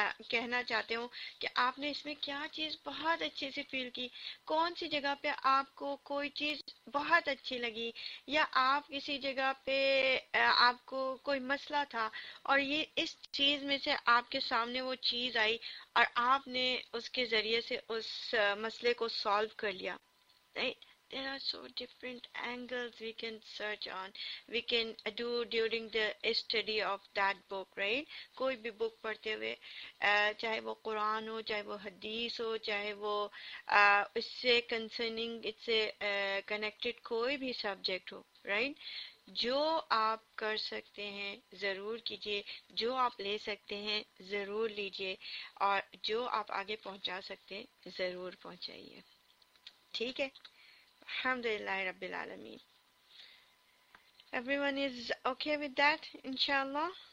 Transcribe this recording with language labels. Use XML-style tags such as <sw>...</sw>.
<ur>کہنا چاہتے ہوں کہ آپ نے اس میں کیا چیز بہت اچھے سے فیل کی, کون سی جگہ پہ آپ کو کوئی چیز بہت اچھی لگی, یا آپ کسی جگہ پہ آپ کو کوئی مسئلہ تھا اور یہ اس چیز میں سے آپ کے سامنے وہ چیز آئی اور آپ نے اس کے ذریعے سے اس مسئلے کو سالو کر لیا.</ur> <en>There are so different angles we can search on, we can do during the study of that book, right?</en> <ur>کوئی بھی بک پڑھتے ہوئے چاہے وہ قرآن ہو چاہے وہ حدیث ہو چاہے وہ اس سے کنسرننگ اس سے کنیکٹڈ کوئی بھی سبجیکٹ ہو رائٹ. جو آپ کر سکتے ہیں ضرور کیجیے, جو آپ لے سکتے ہیں ضرور لیجیے, اور جو آپ آگے پہنچا سکتے ہیں ضرور پہنچائیے ٹھیک ہے.</ur> <ar>Alhamdulillah Rabbil Alameen.</ar> <en>Everyone is okay with that, inshallah?</en>